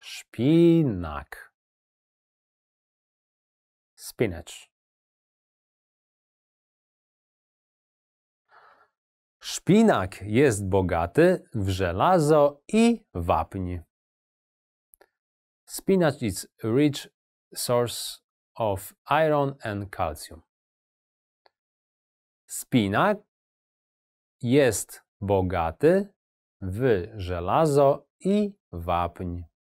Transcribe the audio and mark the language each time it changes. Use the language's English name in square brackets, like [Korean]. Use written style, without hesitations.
[Polish] Szpinak. Spinacz. Szpinak jest bogaty w żelazo i wapń. [English] Spinach is a rich source of iron and calcium. [Polish] Spinak jest bogaty w żelazo i wapń.